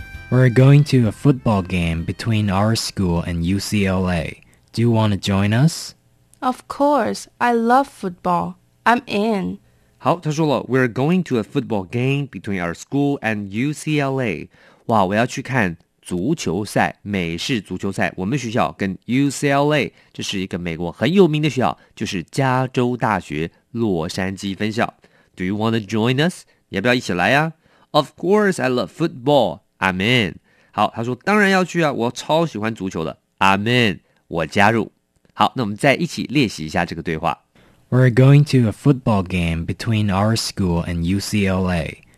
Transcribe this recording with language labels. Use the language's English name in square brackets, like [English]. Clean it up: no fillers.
[English] We're going to a football game between our school and UCLA. Do you want to join us? Of course, I love football. I'm in. [Chinese] 好，他说了 [English] We're going to a football game between our school and UCLA. [Chinese] 哇，我要去看足球赛，美式足球赛，我们学校跟 UCLA， 这是一个美国很有名的学校，就是加州大学洛杉矶分校。 [English] Do you want to join us? [Chinese] 你要不要一起来啊？ [English] Of course I love football, I'm in。 [Chinese] 好，他说当然要去啊，我超喜欢足球的， [English] I'm in， [Chinese] 我加入。好，那我们再一起练习一下这个对话。 [English] We're going to a football game between our school and UCLA.